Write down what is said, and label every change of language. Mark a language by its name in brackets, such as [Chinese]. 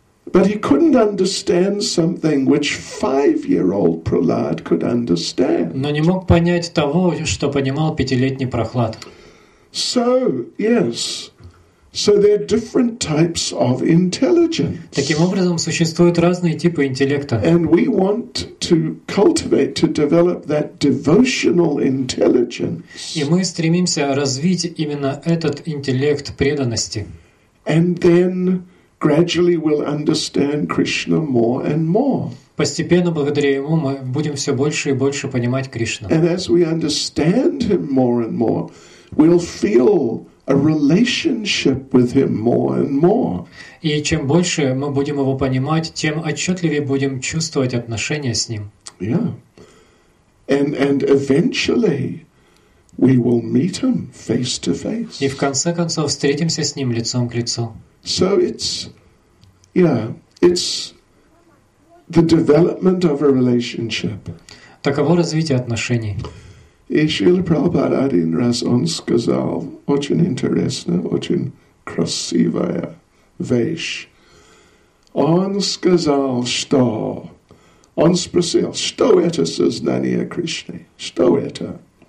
[English] But he couldn't understand something which 5-year-old Prahlad could understand. [Russian] Но не мог понять того, что понимал 5-летний Прохлад. [English] So, yes. So there are different types of intelligence. [Russian] Таким образом, существуют разные типы интеллекта. [English] And we want to cultivate, to develop that devotional intelligence. [Russian] И мы стремимся развить именно этот интеллект преданности. [English] And then gradually we'll understand Krishna more and more. [Russian] Постепенно, благодаря ему, мы будем все больше и больше понимать Кришну. [English] And as we understand him more and more, we'll feel a relationship with him more and more. [Russian] И чем больше мы будем его понимать, тем отчетливее будем чувствовать отношения с ним. [English] Yeah. And eventually we will meet him face to face. [Russian] И в конце концов встретимся с ним лицом к лицу. [English] So it's, yeah, it's the development of a relationship. [Russian] Таково развитие отношений. И Шрила Прабхупада один раз он сказал очень интересную, очень красивую вещь. Он сказал, что... Он спросил, что это сознание Кришны? Что это?